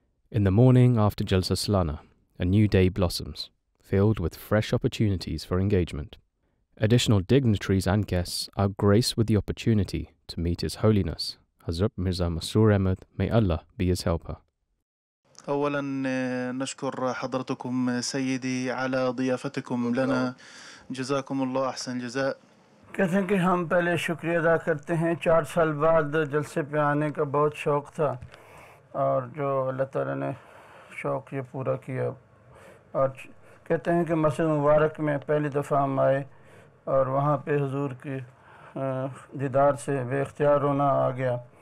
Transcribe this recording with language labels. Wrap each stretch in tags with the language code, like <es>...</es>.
<en>In the morning after Jalsa Salana, a new day blossoms, filled with fresh opportunities for engagement. Additional dignitaries and guests are graced with the opportunity to meet His Holiness, Hazrat Mirza Masroor Ahmed, may Allah be his helper.</en> <ar>أولاً نشكر حضرتكم سيدي على ضيافتكم لنا, جزاكم الله أحسن جزاء.</ar> <ur>کہتے ہیں کہ ہم پہلے شکریہ ادا کرتے ہیں, چار سال بعد جلسے پہ آنے کا بہت شوق تھا اور جو اللہ تعالیٰ نے شوق یہ پورا کیا, اور کہتے ہیں کہ مسجد مبارک میں پہلی دفعہ ہم آئے اور وہاں پہ حضور کی دیدار سے بے اختیار رونا آ گیا.</ur>